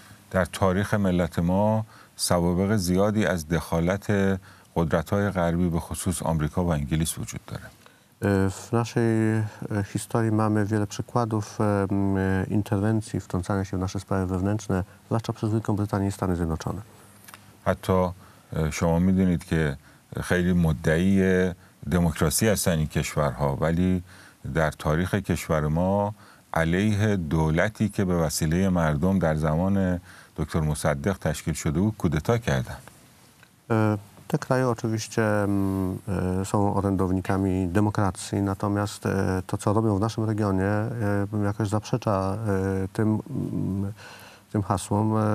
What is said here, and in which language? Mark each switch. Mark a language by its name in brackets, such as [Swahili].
[Persian] در تاریخ ملت ما سوابق زیادی از دخالت قدرت‌های غربی به خصوص آمریکا و انگلیس وجود داره. [Polish] W naszej historii mamy wiele przykładów interwencji, wtrącania się w nasze sprawy wewnętrzne, zwłaszcza przez Wielką Brytanię i Stany Zjednoczone. A to, szanowni państwo, wiedzieć, że [Persian] خیلی مدعی دموکراسی هستن این کشورها, ولی در تاریخ کشور ما علیه دولتی که به وسیله مردم در زمان دکتر مصدق تشکیل شده بود کودتا کردن. [Polish] Te kraje oczywiście są orędownikami demokracji, natomiast to, co robią w naszym regionie, jakoś zaprzecza tym hasłom.